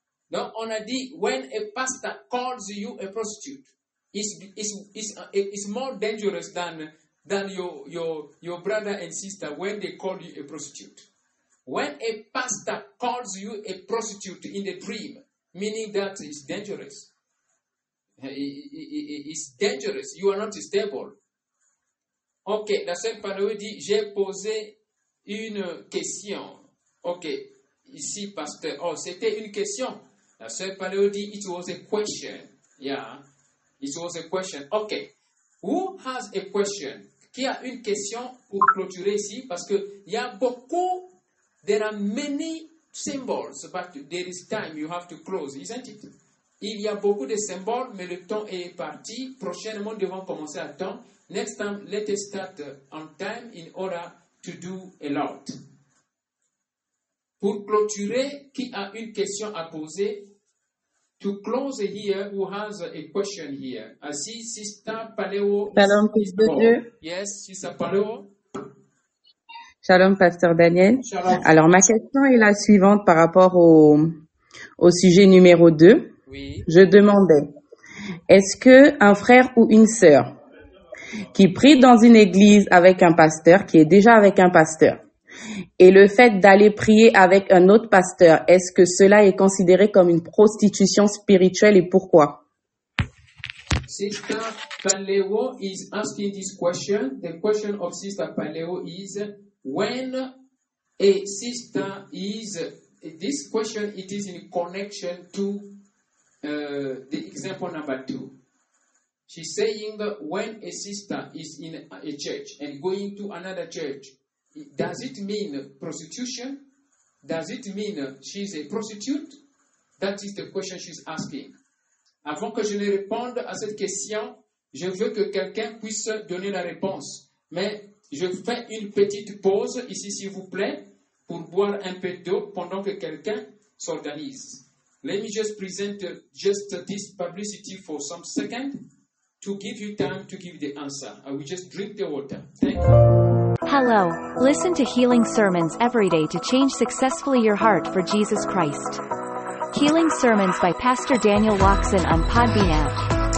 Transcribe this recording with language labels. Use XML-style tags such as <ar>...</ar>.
<fr>Donc, on a dit,</fr> <en>when a pastor calls you a prostitute, it's more dangerous than your brother and sister when they call you a prostitute. When a pastor calls you a prostitute in the dream, meaning that it's dangerous. It's dangerous. You are not stable.</en> <fr>OK, la sœur Paloué dit, j'ai posé une question. OK, ici, pasteur. Oh, c'était une question. La sœur Paloué dit,</fr> <en>it was a question. Yeah, it was a question. OK, who has a question?</en> <fr>Qui a une question pour clôturer ici? Parce qu'il y a beaucoup,</fr> <en>there are many symbols, but there is time you have to close, isn't it?</en> <fr>Il y a beaucoup de symboles, mais le temps est parti. Prochainement, nous devons commencer à temps.</fr> <en>Next time, let us start on time in order to do a lot.</en> <fr>Pour clôturer, qui a une question à poser?</fr> <en>To close here, who has a question here? I see Sister Paleo.</en> <fr>Shalom, fils de Dieu.</fr> <en>Yes, Sister Paleo.</en> <fr>Shalom, Pasteur Daniel. Shalom. Alors, ma question est la suivante par rapport au sujet numéro 2. Oui. Je demandais, est-ce que un frère ou une sœur qui prie dans une église avec un pasteur, qui est déjà avec un pasteur, et le fait d'aller prier avec un autre pasteur, est-ce que cela est considéré comme une prostitution spirituelle et pourquoi?</fr> <en>Sister Paleo is asking this question. The question of Sister Paleo is, when a sister is, this question, it is in connection to the example number two. She's saying when a sister is in a church and going to another church, does it mean prostitution? Does it mean she's a prostitute? That is the question she's asking.</en> <fr>Avant que je ne réponde à cette question, je veux que quelqu'un puisse donner la réponse. Mais je fais une petite pause ici, s'il vous plaît, pour boire un peu d'eau pendant que quelqu'un s'organise.</fr> <en>Let me just present just this publicity for some second to give you time to give the answer. I will just drink the water. Thank you. Hello. Listen to healing sermons every day to change successfully your heart for Jesus Christ. Healing sermons by Pastor Daniel Watson on Podbean app.</en>